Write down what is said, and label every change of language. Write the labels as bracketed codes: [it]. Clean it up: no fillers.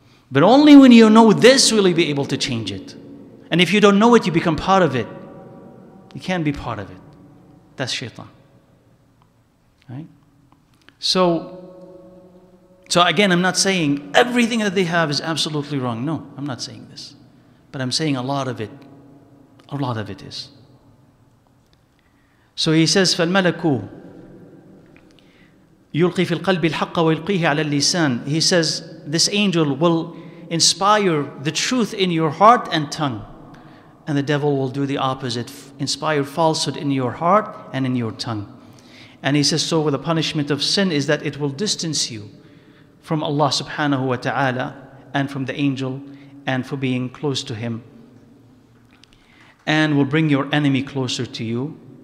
[en] But only when you know this will you be able to change it. And if you don't know it, you become part of it. You can't be part of it. That's shaitan. Right? So again, I'm not saying everything that they have is absolutely wrong. No, I'm not saying this. But I'm saying a lot of it is. So he says, [ar] فَالْمَلَكُ يُلْقِي فِي الْقَلْبِ الْحَقَّ وَيُلْقِيهِ عَلَى اللِّسَانِ. [en] He says, this angel will inspire the truth in your heart and tongue. And the devil will do the opposite, inspire falsehood in your heart and in your tongue. And he says, so with the punishment of sin is that it will distance you from Allah subhanahu wa ta'ala and from the angel and for being close to him, and will bring your enemy closer to you.